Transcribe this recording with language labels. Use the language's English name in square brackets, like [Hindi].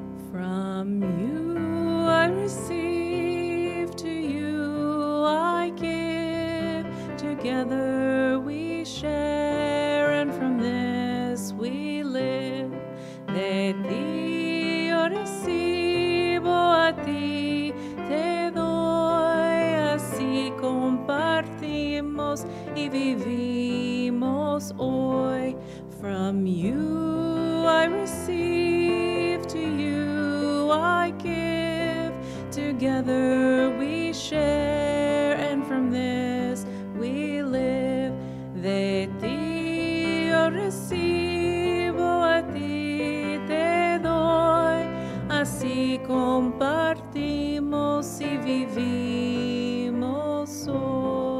[English] From you I receive, to you I give, together we share, and from this we live. [Spanish] De ti yo recibo, a ti te doy, así compartimos y vivimos hoy. [English] From you I receive, to you I give, together we share, and from this we live. [Spanish] De ti yo recibo, a ti te doy, así compartimos y vivimos hoy.